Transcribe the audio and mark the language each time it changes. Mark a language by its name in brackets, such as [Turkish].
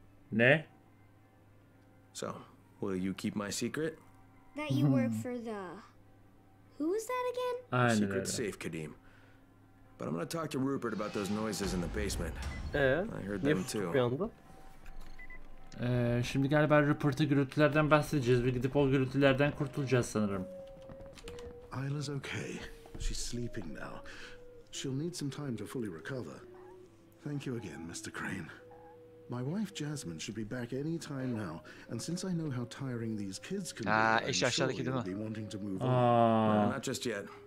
[Turkish] Ne? [English] So, will you keep my secret? That you work for the... Who was that again? [Turkish] Aynen secret öyle. Safe, Kadim. [English] But I'm gonna talk to Rupert about those noises in the basement. I heard them too. [Turkish] Şimdi galiba Rupert'a gürültülerden bahsedeceğiz. Bir gidip o gürültülerden kurtulacağız sanırım. [English] Isla's okay. She's sleeping now. She'll need some time to fully recover. Thank you again, Mr. Crane. My wife Jasmine should be back any time now. And since I know how tiring these kids can be, I'm sure you'll be wanting to move on. Not just yet.